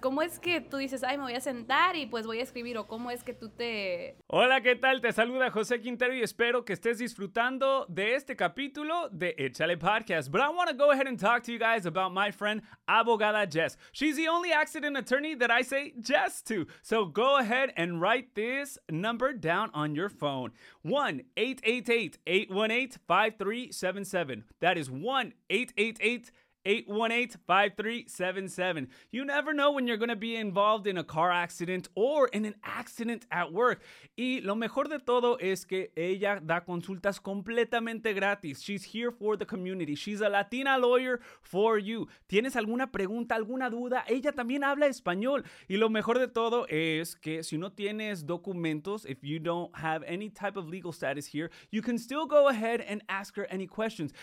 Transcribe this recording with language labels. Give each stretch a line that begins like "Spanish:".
Spanish: ¿Cómo es que tú dices, ay, me voy a sentar y pues voy a escribir? ¿O cómo es que tú te...? Hola, ¿qué tal? Te saluda José Quintero y espero que estés disfrutando de este capítulo de Échale Podcast.
English: But I want to go ahead and talk to you guys about my friend, abogada Jess. She's the only accident attorney that I say Jess to. So go ahead and write this number down on your phone. 1-888-818-5377. That is 1-888-818-5377. You never know when you're going to be involved in a car accident or in an accident at work.
Spanish: Y lo mejor de todo es que ella da consultas completamente gratis.
English: She's here for the community. She's a Latina lawyer for you.
Spanish: ¿Tienes alguna pregunta, alguna duda? Ella también habla español. Y lo mejor de todo es que si no tienes documentos,
English: if you don't have any type of legal status here, you can still go ahead and ask her any questions.